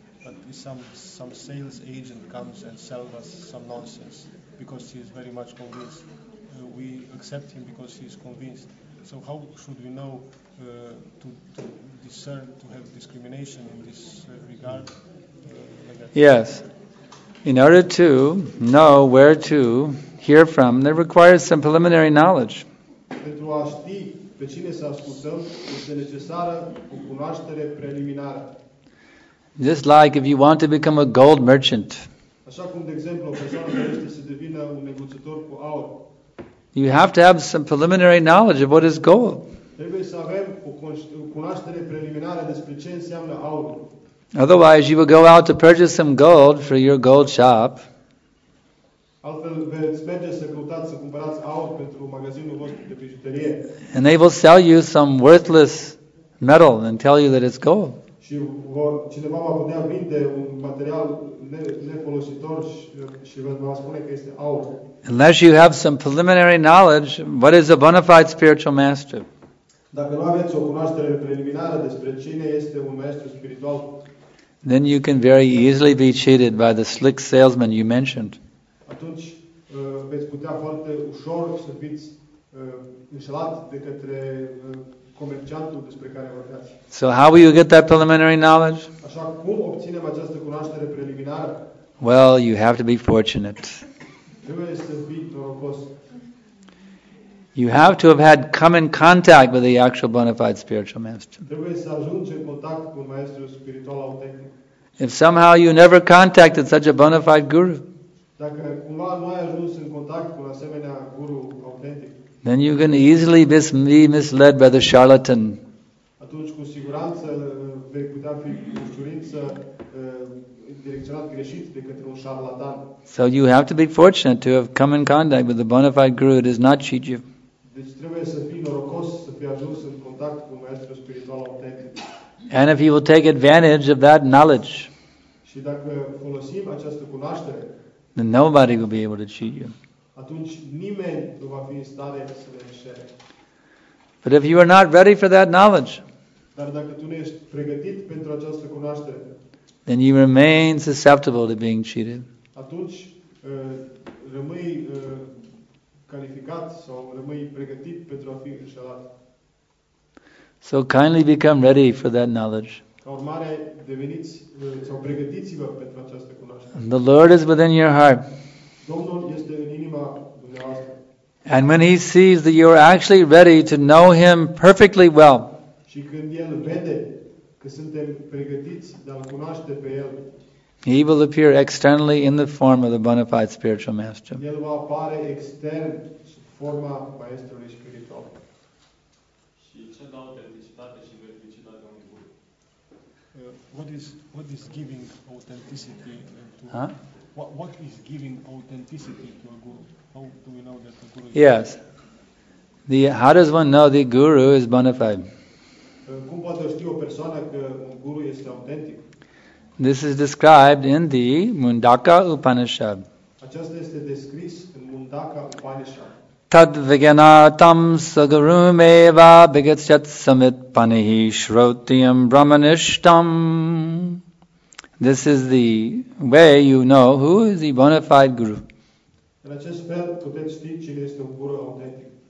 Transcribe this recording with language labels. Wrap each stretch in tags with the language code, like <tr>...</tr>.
<en>But if some sales agent comes and sells us some nonsense because he is very much convinced, we accept him because he is convinced. So how should we know to discern, to have discrimination in this regard? Yes. In order to know where to hear from, that requires some preliminary knowledge.</en> <ro>Pentru a ști pe cine să ascultăm, este necesară o cunoaștere preliminară.</ro> <en>Just like if you want to become a gold merchant.</en> <ro>Așa cum, de exemplu, o persoană trebuie să devină un negociator cu aur.</ro> <en>You have to have some preliminary knowledge of what is gold.</en> <ro>Trebuie să avem o cunoaștere preliminară despre ce înseamnă aur.</ro> <en>Otherwise, you will go out to purchase some gold for your gold shop.</en> <ro>Altfel, merge să căutați să cumpărați aur pentru magazinul vostru de bijuterie.</ro> <en>And they will sell you some worthless metal and tell you that it's gold.</en> <ro>Și cineva va putea vinde un material nefolositor și vă va spune că este aur.</ro> <en>Unless you have some preliminary knowledge, what is a bona fide spiritual master?</en> <ro>Dacă nu aveți o cunoaștere preliminară despre cine este un maestru spiritual,</ro> <en>then you can very easily be cheated by the slick salesman you mentioned.</en> <ro>Atunci, veți putea foarte ușor să fiți înșelat de către comerciantul despre care vorbeați.</ro> <en>So how will you get that preliminary knowledge?</en> <ro>Așa cum obținem această cunoaștere preliminară?</ro> <en>Well, you have to be fortunate.</en> <ro>Trebuie să fii norocos.</ro> <en>You have to have had come in contact with the actual bona fide spiritual master.</en> <ro>Trebuie să ajungi în contact cu maestrul spiritual autentic.</ro> <en>If somehow you never contacted such a bona fide guru,</en> <ro>dacă cumva nu ai ajuns în contact cu un asemenea guru autentic,</ro> <en>then you can easily be misled by the charlatan.</en> <ro>Atunci cu siguranță vei putea fi cu ușurință direcționat greșit de către un șarlatan.</ro> <en>So you have to be fortunate to have come in contact with the bona fide guru. It is not cheating.</en> <ro>Deci trebuie să fii norocos să fii ajuns în contact cu maestrul spiritual autentic.</ro> <en>And if you will take advantage of that knowledge,</en> <ro>și dacă folosim această cunoaștere,</ro> <en>then nobody will be able to cheat you.</en> <ro>Atunci nimeni nu va fi în stare să le înșele.</ro> <en>But if you are not ready for that knowledge,</en> <ro>dar dacă tu nu ești pregătit pentru această cunoaștere,</ro> <en>then you remain susceptible to being cheated.</en> <ro>Atunci rămâi calificat sau rămâi pregătit pentru a fi înșelat.</ro> <en>So kindly become ready for that knowledge.</en> <ro>Ca urmare, deveniți sau pregătiți-vă pentru această cunoaștere.</ro> <en>The Lord is within your heart.</en> <ro>Domnul este în inima dumneavoastră.</ro> <en>And when He sees that you are actually ready to know Him perfectly well,</en> <ro>și când El vede că suntem pregătiți de a-L cunoaște pe El,</ro> <en>He will appear externally in the form of the bona fide spiritual master.</en> <ro>El va apare extern sub forma maestrului spiritual.</ro> <en>What is giving authenticity to? Huh? What is giving authenticity to a guru? How do we know that the guru is? Yes. How does one know the guru is bona fide?</en> <ro>Cum poate ști o persoană că un guru este autentic?</ro> <en>This is described in the Mundaka Upanishad.</en> <ro>Aceasta este descris în Mundaka Upanishad.</ro> <sa>Tad vijñātam sagurum eva bigacchat samutpannihi shrotiyam brahmanishtam.</sa> <en>This is the way you know who is the bona fide guru.</en> <ro>În acest fel puteți ști cine este un guru autentic.</ro>